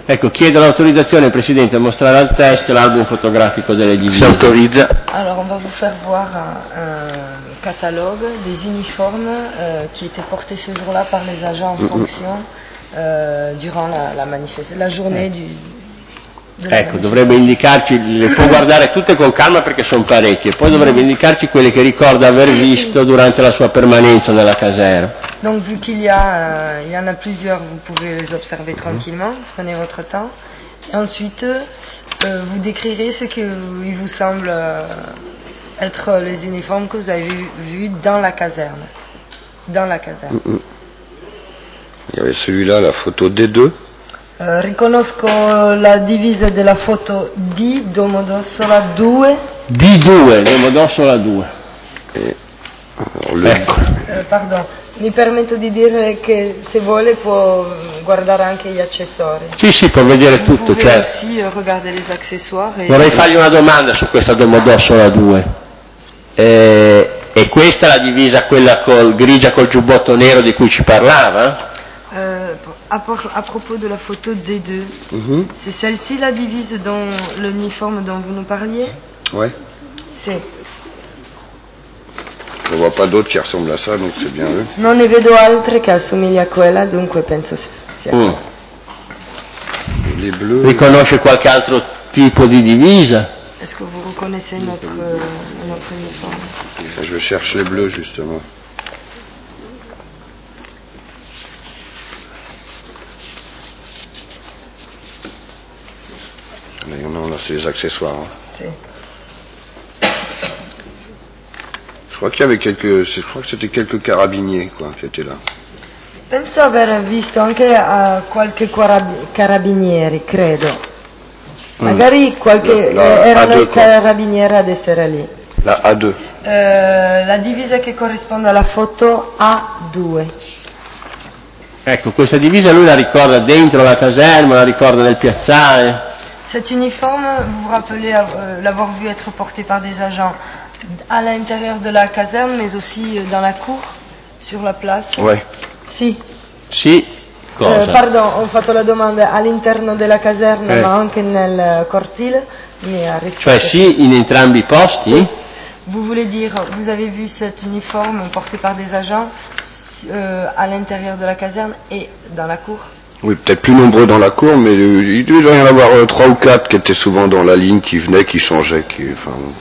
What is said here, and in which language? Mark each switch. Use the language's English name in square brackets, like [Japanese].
[Italian] Ecco, chiedo l'autorizzazione, Presidente, a mostrare al test l'album fotografico delle divise. Si autorizza. [French] Allora, on va vous faire voir un catalogue des uniformes qui étaient portés ce jour-là par les agents en fonction durant la manifestazione, la journée du... [Italian] Ecco, dovrebbe indicarci, le può guardare tutte con calma perché sono parecchie, poi dovrebbe indicarci quelle che ricorda aver visto durante la sua permanenza nella caserma. [French] Donc vu qu'il y a il y en a plusieurs, vous pouvez les observer tranquillement, prenez votre temps. Et ensuite, vous décrirez ce que il vous semble être les uniformes que vous avez vu dans la caserne. Dans la caserne. Il y avait celui-là, la photo des deux. [Italian] Riconosco la divisa della foto di Domodossola 2. Di 2, Domodossola 2. Ecco. Pardon, mi permetto di dire che se vuole può guardare anche gli accessori. Sì, sì, può vedere tutto, [French] vous [Italian] certo. Sì, guarda gli accessori. Vorrei fargli una domanda su questa Domodossola 2. È questa la divisa, quella col grigia col giubbotto nero di cui ci parlava? [French] À propos de la photo des deux, c'est celle-ci la divise dont l'uniforme dont vous nous parliez? Ouais. C'est. Je vois pas d'autres qui ressemblent à ça, donc c'est bien eux. [Italian] Non ne vedo altre che assomigli a quella, dunque penso sia. [French] Les bleus. [Italian] Riconosce qualche altro tipo di divisa? [French] Est-ce que vous reconnaissez notre uniforme? Je cherche les bleus justement. Non, là, c'est les accessoires. Hein. [Italian] Sì. [French] Je crois qu'il y avait quelques. Je crois que c'était quelques carabiniers, quoi, qui étaient là. [Italian] Penso aver visto anche a qualche carabinieri, credo. Magari qualche. Erano i carabinieri ad essere lì. La A2. La divisa che corrisponde alla foto A2. Ecco, questa divisa lui la ricorda dentro la caserma, la ricorda nel piazzale. [French] Cet uniforme, vous vous rappelez l'avoir vu être porté par des agents à l'intérieur de la caserne, mais aussi dans la cour, sur la place. Oui. [Italian] Si. Si. Cosa? Pardon, ho fatto la domanda all'interno della caserna, ma anche nel cortile. Mi ha risposto. Cioè, sì, in entrambi i posti. Si. [French] Vous voulez dire, vous avez vu cet uniforme porté par des agents à l'intérieur de la caserne et dans la cour? Oui, peut-être plus nombreux dans la cour, mais il devait y en avoir 3 ou 4 qui étaient souvent dans la ligne, qui venaient, qui changeaient, qui, enfin.